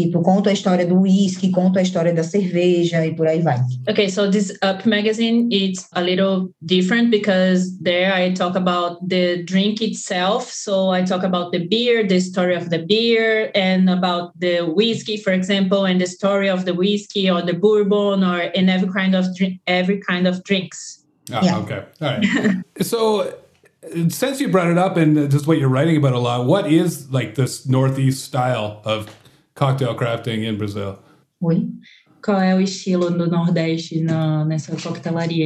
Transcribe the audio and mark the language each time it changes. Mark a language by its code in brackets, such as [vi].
[pt] Tipo, conto a história do whisky, conto a história da cerveja e por aí vai. [en] Okay, so this Up magazine, it's a little different because there I talk about the drink itself. So I talk about the beer, the story of the beer, and about the whisky, for example, and the story of the whisky or the bourbon or in every kind of drinks. Ah, yeah. Okay. All right. So... since you brought it up and just what you're writing about a lot, what is like this Northeast style of cocktail crafting in Brazil? [pt] Oi? Qual é o estilo do Nordeste nessa coquetelaria?